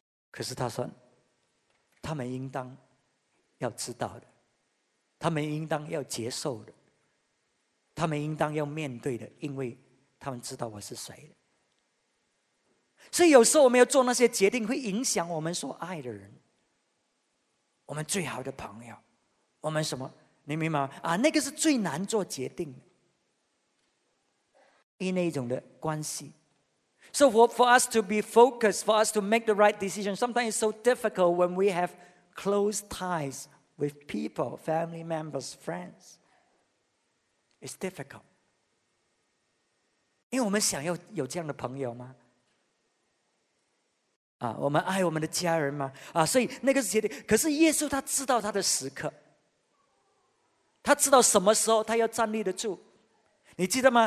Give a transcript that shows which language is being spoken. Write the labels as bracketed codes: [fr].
[zh] 可是他说，他们应当要知道的，他们应当要接受的，他们应当要面对的，因为他们知道我是谁的。所以有时候我们要做那些决定，会影响我们所爱的人，我们最好的朋友，我们什么，你明白吗？啊，那个是最难做决定的，因那一种的关系。 [en] So for us to be focused, for us to make the right decision, sometimes it's so difficult when we have close ties with people, family members, friends. It's difficult. [zh] 因为我们想要有这样的朋友吗？啊，我们爱我们的家人吗？啊，所以那个是决定。可是耶稣他知道他的时刻，他知道什么时候他要站立得住。你记得吗？